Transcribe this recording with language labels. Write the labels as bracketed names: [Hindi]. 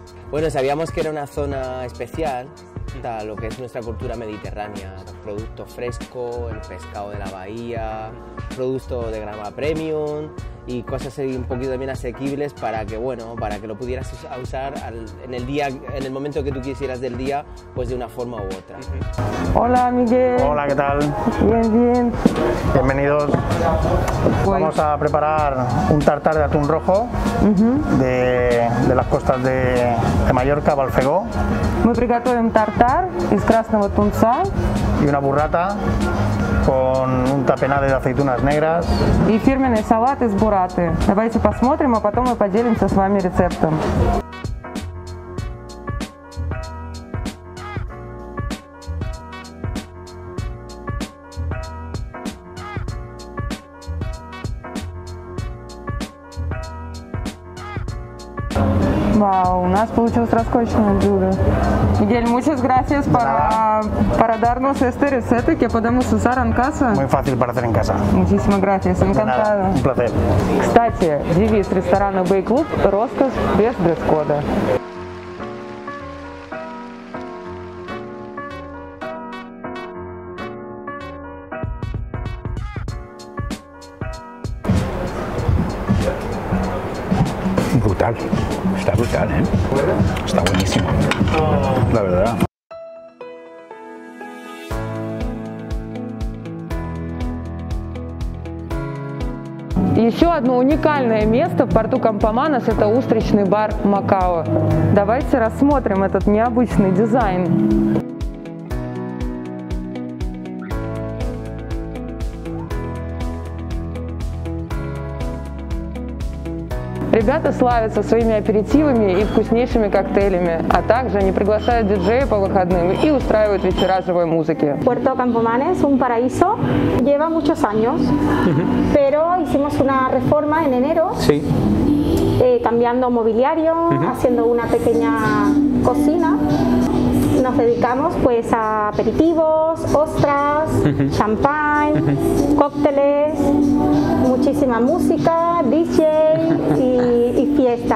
[Spanish] Bueno, sabíamos que era una zona especial, lo que es nuestra cultura mediterránea, producto fresco, el pescado de la bahía, producto de gama premium y cosas un poquito también asequibles para que, bueno, para que lo pudieras usar en el momento que tú quisieras del día, pues de una forma u otra. Hola, Miguel. Hola, ¿qué tal? Bien, bien. Bienvenidos. Vamos a preparar un tartar de atún rojo de las costas de Mallorca, Balfegó. [Russian] Мы приготовим тартар из красного тунца и [Spanish] una burrata con un tapenade de aceitunas negras [Russian] и фирменный салат из бураты. Давайте посмотрим, а потом мы поделимся с вами рецептом. Вау, у нас получилось роскошное блюдо. [Spanish] Мигель, muchas gracias para darnos este receta que podemos usar en casa. Muy fácil para hacer en casa. Muchísimas gracias, encantado. Un placer. [Russian] Кстати, девиз ресторана Бэй-клуб – роскошь без дресс-кода. [Spanish] Brutal. Está brutal, ¿eh? Está buenísimo. La verdad. [Russian] Еще одно уникальное место в порту Кампоманас – это устричный бар Макао. Давайте рассмотрим этот необычный дизайн. Ребята славятся своими аперитивами и вкуснейшими коктейлями, а также они приглашают диджея по выходным и устраивают вечера живой музыки. [Spanish] Puerto Campomanes, un paraíso, lleva muchos años, pero hicimos una reforma en enero, sí. Cambiando mobiliario, haciendo una pequeña cocina. Nos dedicamos pues a aperitivos, ostras, champagne, cócteles, muchísima música, DJ y fiesta.